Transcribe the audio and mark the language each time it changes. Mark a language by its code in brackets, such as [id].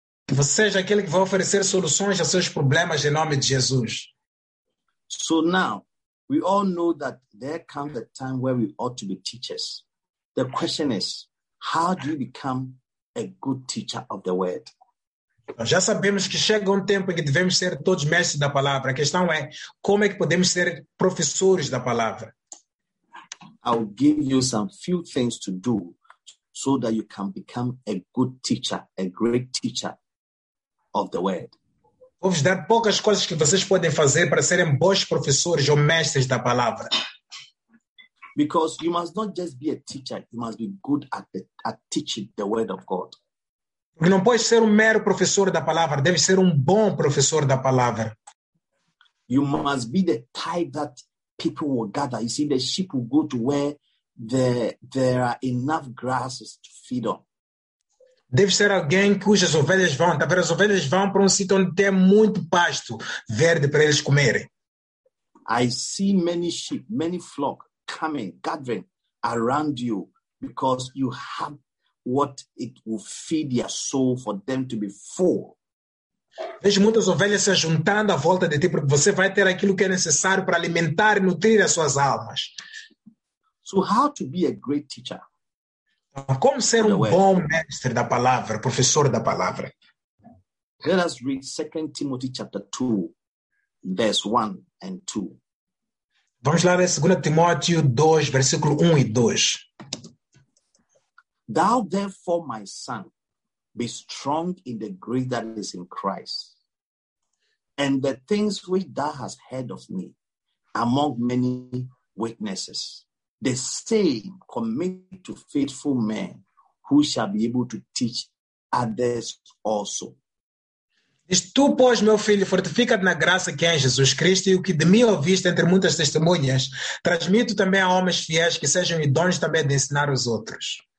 [pt] Que você seja aquele que vai oferecer soluções aos seus problemas em nome de Jesus. [en] So now, we all know that there comes a time where we ought to be teachers. The question is, how do you become a good teacher of the word? [pt] Nós já sabemos que chega um tempo em que devemos ser todos mestres da palavra. A questão é, como é que podemos ser professores da palavra? [en] I'll give you some few things to do so that you can become a good teacher, a great teacher of the word. [pt] Vou vos dar poucas coisas que vocês podem fazer para serem bons professores ou mestres da palavra. [en] Because you must not just be a teacher, you must be good at teaching the word of God. [pt] Porque não pode ser um mero professor da palavra, deve ser um bom professor da palavra. [en] You must be the type that people will gather. You see, the sheep will go to where there are enough grasses to feed on. [pt] Deve ser alguém cujas ovelhas vão. Talvez as ovelhas vão para um sítio onde tem muito pasto verde para eles comerem. [en] I see many sheep, many flock coming, gathering around you because you have what it will feed their soul for them to be full. [pt] Vejo muitas ovelhas se juntando à volta de ti porque você vai ter aquilo que é necessário para alimentar e nutrir as suas almas. [en] So how to be a great teacher? [pt] Como ser um bom mestre da palavra, professor da palavra? [en] Let us read 2 Timothy chapter 2, verse 1 and 2. [pt] Vamos lá em 2 Timóteo 2, versículo 1 e 2. [en] Thou therefore, my son, be strong in the grace that is in Christ, and the things which thou hast heard of me among many witnesses. The same commit to faithful men who shall be able to teach others also. [pt] Diz, tu, pois, meu filho, fortifica-te na graça que é em Jesus Cristo e o que de mim ouviste entre muitas testemunhas, transmito também a homens fiéis que sejam idôneos também de ensinar os outros.